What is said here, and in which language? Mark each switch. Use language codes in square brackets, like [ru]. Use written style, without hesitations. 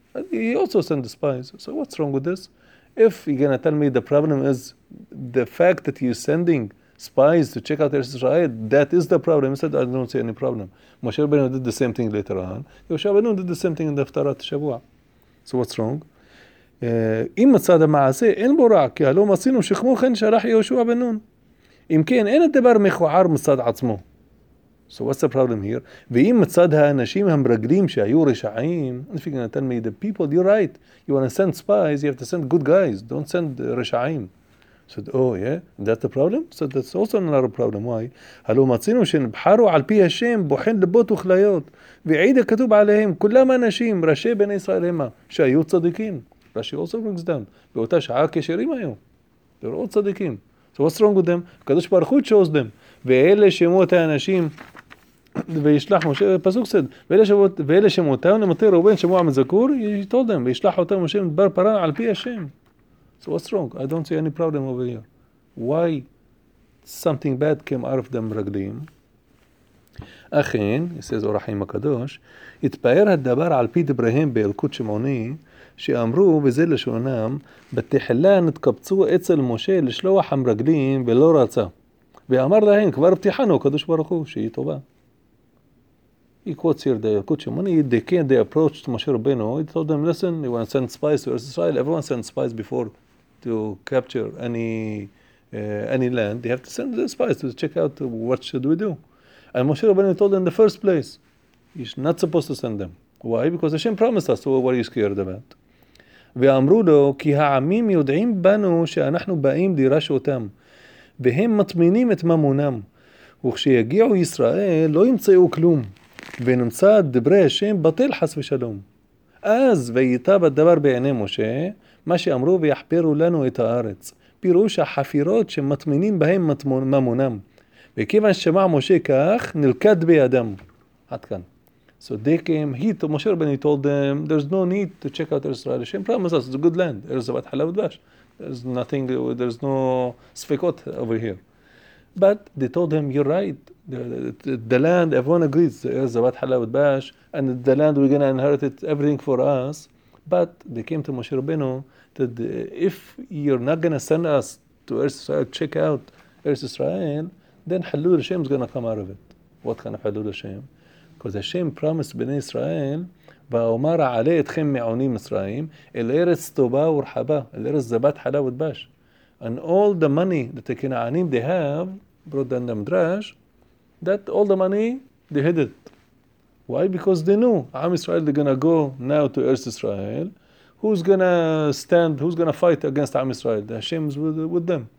[en] He also sent the spies. So what's wrong with this? If you're going to tell me the problem is the fact that you're sending spies to check out Eretz Israel, that is the problem. He said, I don't see any problem. Moshe Rabbeinu did the same thing later on. Yehoshua Benun did the same thing in the Haftarat Shavua. So what's wrong? [he] אם מצד המעשה אין בו רע, כי הלא מצינו שכמו כן שלח יהושע בן נון. אם כן, אין הדבר מכוער מצד עצמו. [en] So what's the problem here? [he] ואם מצד האנשים המרגלים שהיו רשעים, [en] if you're going to tell me the people, you're right. You want to send spies, you have to send good guys. Don't send רשעים. Said, oh yeah, that's the problem? Said, that's also not a problem. Why? [he] הלו מצינו שנבחרו על פי השם בוחן לבות וכליות. ועיד הכתוב עליהם, כולם אנשים, ראשי בני ישראל המה, שהיו צדיקים. [en] Rashi also brings down. [he] באותה שעה כשרים היו. [en] They're all צדיקים. So what's wrong with them? [he] הקדוש ברוך הוא [en] chose them. [he] ואלה שמו את האנשים, וישלח משה, פסוק סד, ואלה שמו אותם, למטר רובן שמו המזכור, [en] he told them, [he] וישלח אותם משה מדבר פרן על פי השם. [en] So what's wrong? I don't see any problem over here. Why something bad came out of them רגלים? [he] אכן, [en] he says, [he] אור החיים הקדוש, התפאר הדבר על פי דבריהם באלקוט שמעוני, שאמרו, וזה לשונם, בתחילה נתקבצו אצל משה לשלוח המרגלים ולא רצה. ואמר להם, כבר פתיחנו, קדוש ברוך הוא, שהיא טובה. [en] He quotes here the Yalkut Shemoni, they approached Moshe Rabbeinu, he told them, listen, you want to send spies to Israel, everyone sends spies before to capture any land, they have to send the spies to check out what should we do. And Moshe Rabbeinu told them in the first place, he's not supposed to send them. Why? Because Hashem promised us, so what are you scared about? [he] ואמרו לו, כי העמים יודעים בנו שאנחנו באים לירש אותם. והם מטמינים את ממונם, וכשיגיעו ישראל לא ימצאו כלום, ונמצא דברי השם בטל חס ושלום. אז ויתב הדבר בעיני משה, מה שאמרו ויחפרו לנו את הארץ, פירוש החפירות שמטמינים בהם ממונם, וכיוון ששמע משה כך, נלכד בידם. עד כאן. [en] So they came, he, Moshe Rabbeinu, told them, there's no need to check out Israel. Hashem promised us, it's a good land. There's nothing, there's no sfekot over here. But they told him, you're right. The land, everyone agrees, there's a bat halav dvash, and the land, we're going to inherit it, everything for us. But they came to Moshe Rabbeinu, that if you're not going to send us to Israel, check out Israel, then halul Hashem is going to come out of it. What kind of halul Hashem? Because Hashem promised Bnei Israel, [he] ואומר עלי אתכם מעונים מצרים, אל ארץ טובה ורחבה, אל ארץ זבת חלב ודבש. [en] And all the money that the Canaanim they have, brought down the Midrash, that all the money they hid it. Why? Because they knew Am Israel, they're going to go now to Eretz Israel. Who's going to stand, who's going to fight against Am Israel? The Hashem is with them.